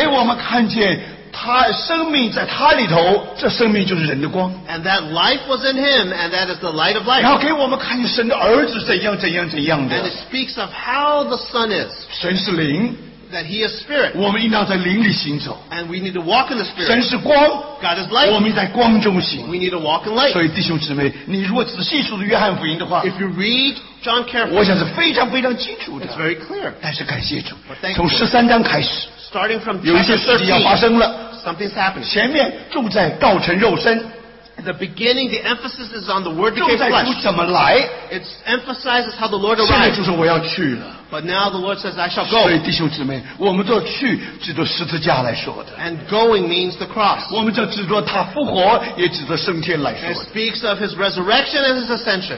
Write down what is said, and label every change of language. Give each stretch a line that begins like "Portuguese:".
Chinese: 给我们看见他生命在他里头，这生命就是人的光。
English: And that life was in him, and that is the light of life.
Chinese: 然后给我们看见神的儿子怎样怎样怎样的。
English: And it speaks of how the Son is.
Chinese: 神是灵。
English: That he is spirit.
Chinese: 我们应当在灵里行走。
English: And we need to walk in the spirit.
Chinese: 神是光。
English: God is light.
Chinese: 我们在光中行。
English: We need to walk in light.
Chinese: 所以弟兄姊妹，你如果仔细读约翰福音的话
English: ，If you read John carefully,
Chinese: 我想是非常非常清楚的。
English: It's very clear.
Chinese: 但是感谢主，
English: But thank you.
Chinese: 从十三章开始
English: ，Starting from
Chinese: 有一些事情要发生了
English: ，Something's happening.
Chinese: 前面住在道成肉身。
English: The beginning, the emphasis is on the Word became flesh.
Chinese: 住在主怎么来
English: ？It emphasizes how the Lord arrived.
Chinese: 现在就是我要去了。
English: But now the Lord says, I shall go.
Chinese: 所以弟兄姊妹, 我们做去, 指着十字架来说的,
English: and going means the cross.
Chinese: 我们就指着他复活, 也指着升天来说的,
English: it speaks of his resurrection and his ascension.